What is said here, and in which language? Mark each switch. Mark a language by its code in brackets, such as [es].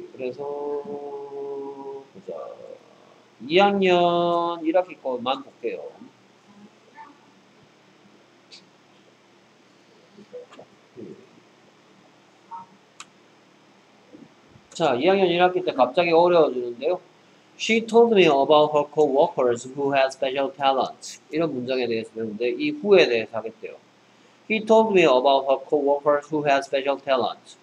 [ko] 그래서, 보자. 2학년 1학기 것만 볼게요. 자, 2학년 1학기 때 갑자기 어려워지는데요. [en] She told me about her co-workers who had special talents. [ko] 이런 문장에 대해서 배웠는데 이 who에 대해서 하겠대요. [en] He told me about her co-workers who had special talents.